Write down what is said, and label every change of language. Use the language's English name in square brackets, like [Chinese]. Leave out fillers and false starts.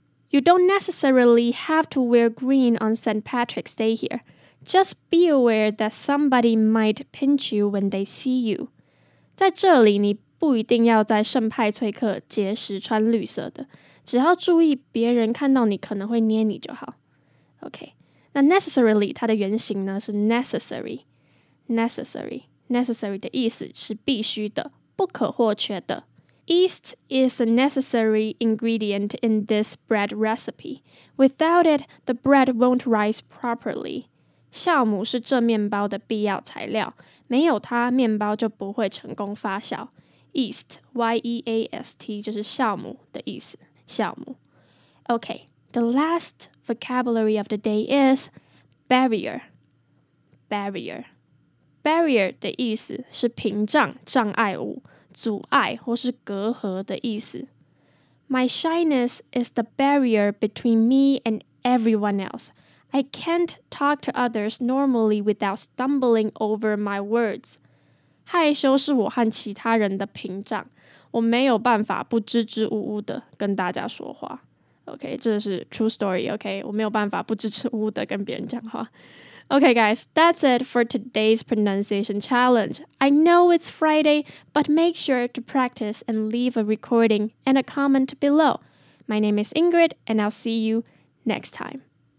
[English] You don't necessarily have to wear green on St. Patrick's Day here. Just be aware that somebody might pinch you when they see you. [Chinese] 在这里，你不一定要在圣派翠克节时穿绿色的，只要注意别人看到你可能会捏你就好。 OK， 那 necessarily 它的原型呢是 necessary。 necessary 的意思是必须的，不可或缺的。 [English] Yeast is a necessary ingredient in this bread recipe. Without it, the bread won't rise properly. [Chinese] 酵母是这面包的必要材料，没有它，面包就不会成功发酵。 Yeast, Y-E-A-S-T, 就是酵母的意思，酵母。 [English] Okay, the last vocabulary of the day is barrier. Barrier. [Chinese] Barrier 的意思是屏障、障碍物。阻碍或是隔阂的意思。 [English] My shyness is the barrier between me and everyone else. I can't talk to others normally without stumbling over my words. [Chinese] 害羞是我和其他人的屏障，我没有办法不支支吾吾的跟大家说话。 OK， 这是 [English] true story。 [Chinese] OK， 我没有办法不支支吾吾的跟别人讲话。 [English] Okay guys, that's it for today's pronunciation challenge. I know it's Friday, but make sure to practice and leave a recording and a comment below. My name is Ingrid, and I'll see you next time.